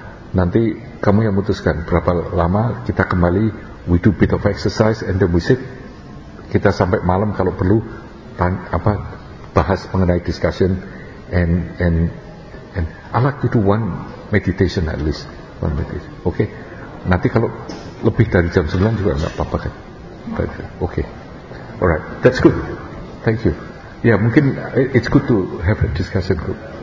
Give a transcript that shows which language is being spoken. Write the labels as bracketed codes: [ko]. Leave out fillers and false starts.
[id] Nanti kamu yang memutuskan berapa lama kita kembali. [en] We do bit of exercise and then we sit. [id] Kita sampai malam kalau perlu apa bahas mengenai [en] discussion and I like to do one meditation at least one meditation. [id] Okay, nanti kalau lebih dari jam 9 juga enggak apa-apa kan. [en] Okay, alright, that's good, thank you. Yeah, mungkin it's good to have a discussion group.